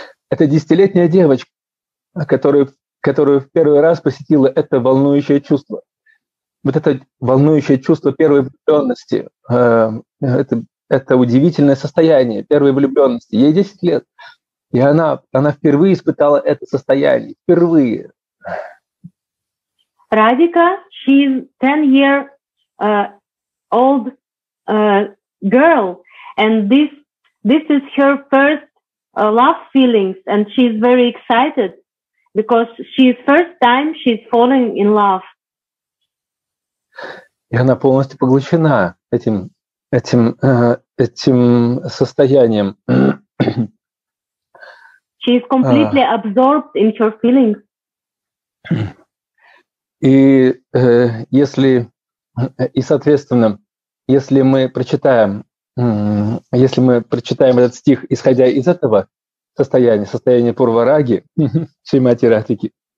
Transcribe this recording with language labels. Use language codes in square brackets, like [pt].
[ru] Это десятилетняя девочка, которую в первый раз посетила это волнующее чувство. Вот это волнующее чувство первой влюбленности, это удивительное состояние первой влюбленности. Ей 10 лет, и она впервые испытала это состояние, впервые. [en] Radhika, she's 10-year old girl, and this is her first love feelings, and she's very excited because she's first time she's falling in love. [ru] И она полностью поглощена этим состоянием. [en] She is completely absorbed in her feelings. [ru] И соответственно, если мы прочитаем этот стих, исходя из этого состояния Пурвараги, Шримати Радхики,